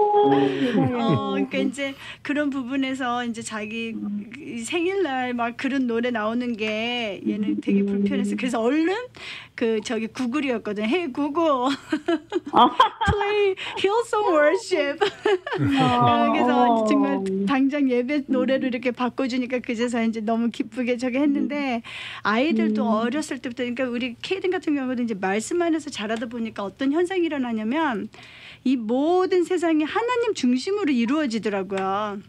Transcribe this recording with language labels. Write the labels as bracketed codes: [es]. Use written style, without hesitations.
[ko] 그러니까 이제 그런 부분에서 이제 자기 생일날 막 그런 노래 나오는 게 얘는 되게 불편해서 그래서 얼른 그 저기 구글이었거든. [en] Hey Google, play Hillsong Worship. [ko] 그래서 정말 당장 예배 노래로 이렇게 바꿔주니까 그제서 이제 너무 기쁘게 저게 했는데 아이들도 어렸을 때부터 그러니까 우리 케이든 같은 경우도 이제 말씀 안에서 자라다 보니까 어떤 현상이 일어나냐면 이 모든 세상이 하나님 중심으로 이루어지더라고요.